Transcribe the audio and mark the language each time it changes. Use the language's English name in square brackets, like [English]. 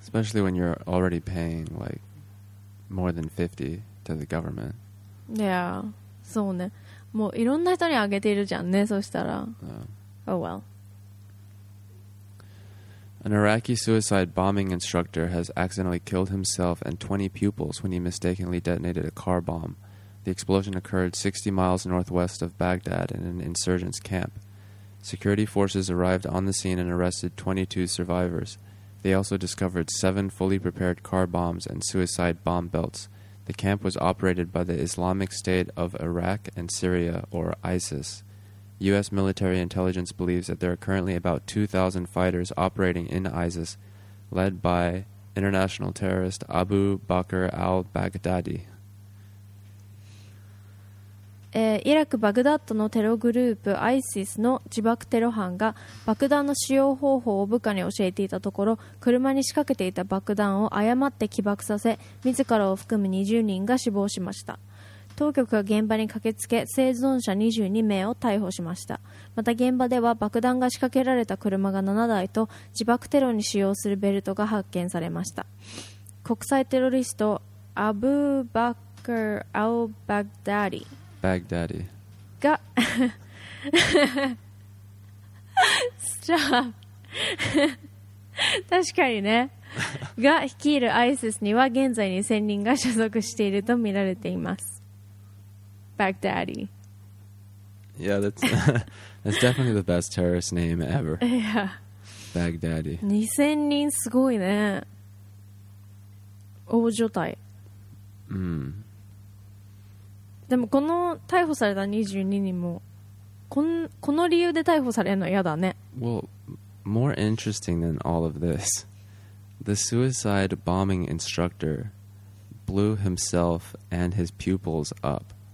[English] Especially when you're already paying like more than 50 to the government. Yeah. [Japanese] そうね。もういろんな人にあげているじゃんね、そしたら。 [English] Oh well. An Iraqi suicide bombing instructor has accidentally killed himself and 20 pupils when he mistakenly detonated a car bomb. The explosion occurred 60 miles northwest of Baghdad in an insurgents' camp. Security forces arrived on the scene and arrested 22 survivors. They also discovered 7 fully prepared car bombs and suicide bomb belts. The camp was operated by the Islamic State of Iraq and Syria, or ISIS. U.S. military intelligence believes that there are currently about 2,000 fighters operating in ISIS, led by international terrorist Abu Bakr al-Baghdadi. [Japanese] イラク・バグダッドのテログループ ISIS の自爆テロ班が爆弾の使用方法を部下に教えていたところ、車に仕掛けていた爆弾を誤って起爆させ、自らを含む20人が死亡しました。当局が現場に駆けつけ、生存者22名を逮捕しました。また現場では爆弾が仕掛けられた車が7台と自爆テロに使用するベルトが発見されました。国際テロリストアブーバッカルアルバグダディ、バグダディが、 [English] stop [Japanese] 確かにね。が率いる ISIS には現在2000人が所属しているとみられています。 [English] Baghdadi. Yeah, that's, that's definitely the best terrorist name ever. Yeah. Baghdadi. [Japanese] 2000人すごいね。大所帯。でもこの逮捕された22人もこの理由で逮捕されるの嫌だね。 [English] Well, more interesting than all of this, the suicide bombing instructor blew himself and his pupils up.